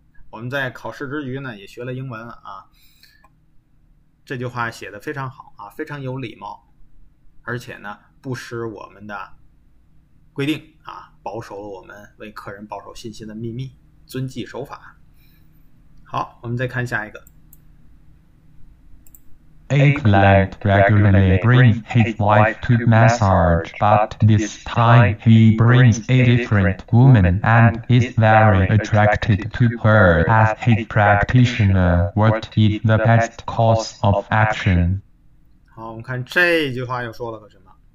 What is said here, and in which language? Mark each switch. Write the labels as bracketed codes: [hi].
[zh] 我们在考试之余呢，也学了英文啊，这句话写得非常好啊，非常有礼貌，而且呢，不失我们的规定啊，保守了我们为客人保守信息的秘密，遵纪守法。好，我们再看下一个。 [en] A client regularly brings his wife to massage, but this time he brings a different woman and is very attracted to her as his practitioner. What is the best course of action? [zh] 好，我们看这句话又说了个什么？